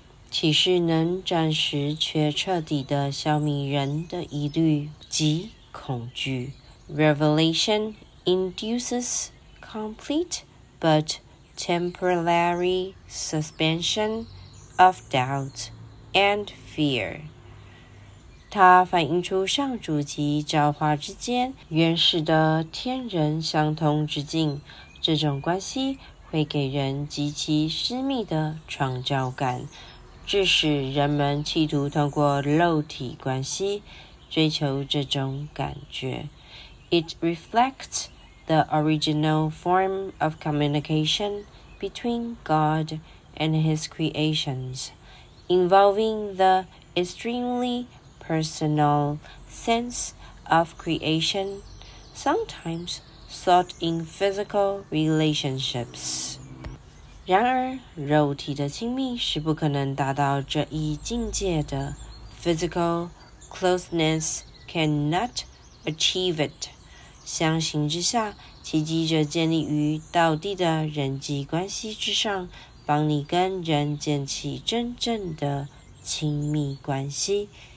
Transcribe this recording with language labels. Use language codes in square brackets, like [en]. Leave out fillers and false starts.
[zh] 启示能暂时却彻底的消弭人的疑虑及恐惧。 [en] Revelation induces complete but temporary suspension of doubt and fear. [zh] 它反映出上主及教化之间原始的天人相通之境，这种关系会给人极其私密的创造感，致使人们企图通过肉体关系追求这种感觉。 [en] It reflects the original form of communication between God and His creations, involving the extremely personal sense of creation, sometimes sought in physical relationships. [zh] 然而，肉体的亲密是不可能达到这一境界的。 [en] Physical closeness cannot achieve it. [zh] 相形之下，奇迹者建立于道地的人际关系之上，帮你跟人建起真正的亲密关系。